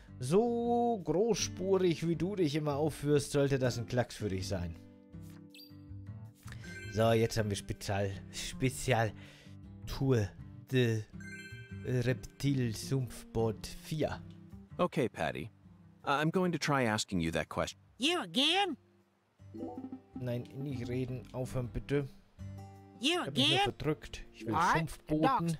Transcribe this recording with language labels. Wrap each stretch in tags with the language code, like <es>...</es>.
<de>So großspurig, wie du dich immer aufführst, sollte das ein Klacks für dich sein. So, jetzt haben wir Spezial-Tour de Reptil-Sumpfboot 4.</de> <en>Okay, Patty. I'm going to try asking you that question. You again?</en> <de>Nein, nicht reden. Aufhören, bitte.</de> <en>You again?</en> <de>Ich bin verdrückt. Ich will Sumpfbooten.</de>